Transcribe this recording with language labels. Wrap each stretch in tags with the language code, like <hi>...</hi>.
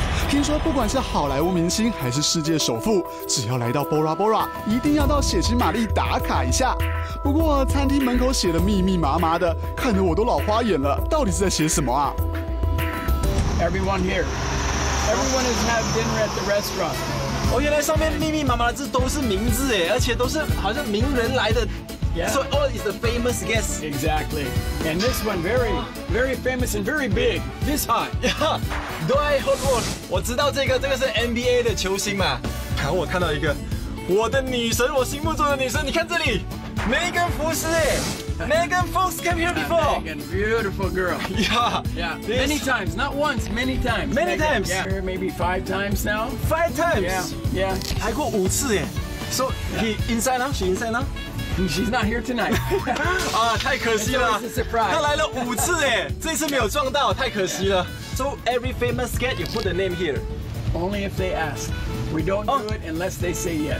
<zh>听说不管是好莱坞明星还是世界首富，只要来到 Bora Bora， 一定要到血腥玛丽打卡一下。不过餐厅门口写的密密麻麻的，看得我都老花眼了，到底是在写什么啊？</zh> <en>Everyone here, everyone has had dinner at the restaurant。</en> <zh>哦，原来上面密密麻麻的字都是名字哎，而且都是好像名人来的。</zh> <en>Yeah. So all is the famous guests. Exactly. And this one very, very famous and very big. This high.</en> <zh>Yeah. Dwight Howard. 我知道这个是 NBA 的球星嘛。然后我看到一个，我的女神，我心目中的女神，你看这里。</zh> <en>Megan Fox， Megan Fox came here before. Megan, beautiful girl. Yeah. Many times, not once, many times. Many Megan, times. Yeah. Here maybe 5 times now. 5 times. Yeah.</en> <zh>还过5次耶。</zh> <en>So he inside now? She inside now? She's not here tonight.</en> <zh>啊，太可惜了。他来了5次耶，这次没有撞到，太可惜了。</zh> <en>So every famous guest, you put the name here. Only if they ask. We don't do it unless they say yes.</en>